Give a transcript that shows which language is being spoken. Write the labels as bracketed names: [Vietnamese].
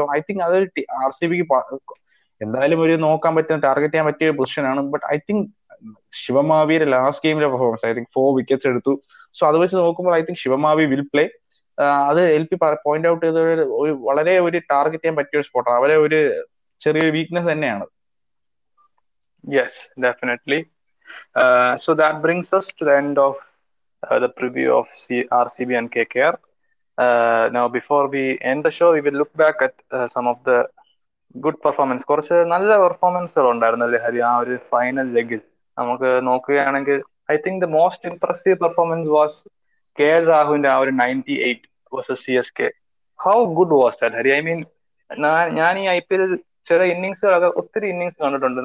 [English] so I think [Malayalam] അതൊരു R C ബിക്ക് എന്തായാലും ഒരു നോക്കാൻ പറ്റുന്ന ടാർഗറ്റ് ചെയ്യാൻ പറ്റിയ പൊസിഷൻ ആണ്. But [English] I think [Malayalam] ശിവമാവിയുടെ last ഗെയിമിലെ performance, I think 4 wickets എടുത്തു. സോ അത് വെച്ച് നോക്കുമ്പോൾ [English] I think Shivam Mavi will play. [Malayalam] അത് എൽ പി പോയിന്റ് ഔട്ട് ചെയ്ത ഒരു വളരെ ഒരു ടാർഗറ്റ് ചെയ്യാൻ പറ്റിയ ഒരു സ്പോട്ട്, അവരെ ഒരു ചെറിയൊരു വീക്ക്നെസ് തന്നെയാണ്. [English] Yes, definitely. So that brings us to the end of the preview of RCB and KKR. Now, before we end the show, we will look back at some of the good performance. [Malayalam] കുറച്ച് നല്ല പെർഫോമൻസുകൾ ഉണ്ടായിരുന്നല്ലേ ഹരി ആ ഒരു final ലെഗിൽ. നമുക്ക് നോക്കുകയാണെങ്കിൽ [English] I think the most impressive performance was K L രാഹുലിന്റെ ആ ഒരു 98 versus C S K. How good was that Hari? I mean [Malayalam] ഞാൻ ഈ ഐ പി എൽ ചില ഇന്നിങ്സുകളൊക്കെ ഒത്തിരി ഇന്നിങ്സ് കണ്ടിട്ടുണ്ട്.